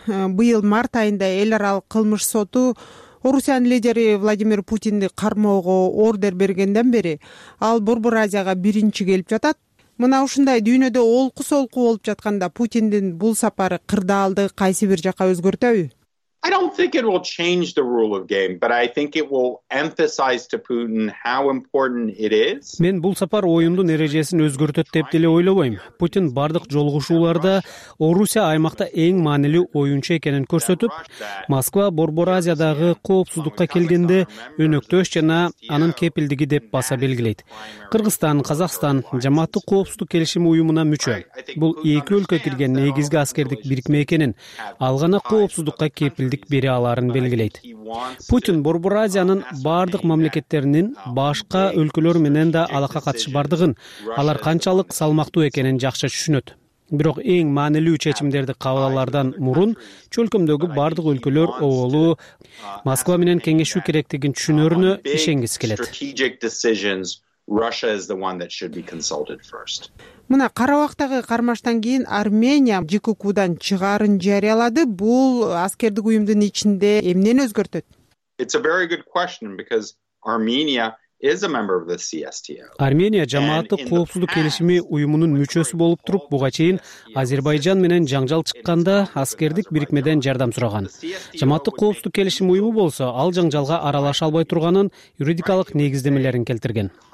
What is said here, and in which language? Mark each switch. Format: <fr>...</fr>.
<ky>Быйыл март айында эл аралык кылмыш соту Орусиянын лидери Владимир Путинди кармоого ордер бергенден бери ал Борбор Азияга биринчи келип жатат. Мына ушундай дүйнөдө олку солку болуп жатканда Путиндин бул сапары кырдаалды кайсы бир жакка өзгөртөбү?</ky> <en>I don't think it will change the rule of game, but I think it will emphasize to Putin how important it is.</en> <ky>Мен бул сапар оюмдун эрежесин өзгөртөт деп деле ойлобойм. Путин бардык жолугушууларда Орусия аймакта эң маанилүү оюнчу экенин көрсөтүп, Москва Борбор Азиядагы коопсуздукка келгенде өнөктөш жана анын кепилдиги деп баса белгилейт. Кыргызстан, Казакстан жамааттык коопсуздук келишими уюмуна мүчө. Бул эки өлкө кирген негизги аскердик бирикме экенин, ал гана коопсуздукка билдик бере аларын белгилейт. Путин Борбор Азиянын бардык мамлекеттеринин башка өлкөлөр менен да алака катышы бардыгын, алар канчалык салмактуу экенин жакшы түшүнөт. Бирок эң маанилүү чечимдерди кабыл алардан мурун чөлкөмдөгү бардык өлкөлөр оолу Москва менен кеңешүү керектигин түшүнөрүнө ишенгиси келет.</ky> <en>Russia is the one that should be consulted first.</en> <ky>Мына Карабахтагы кармаштан кийин Армения ЖКК-дан чыгарын жарыялады. Бул аскердик уюмдун ичинде эмнени өзгөртөт?</ky> <en>It's a very good question because Armenia is a member of the CSTO.</en> <ky>Армения жамааты коопсуздук келишими уюмунун мүчөсү болуп туруп, буга чейин Азербайжан менен жаңжал чыкканда аскердик бирикмеден жардам сураган. Жамааты коопсуздук келишим уюму болсо, ал жаңжалга аралаша албай турганын юридикалык негиздемелерин келтирген.</ky>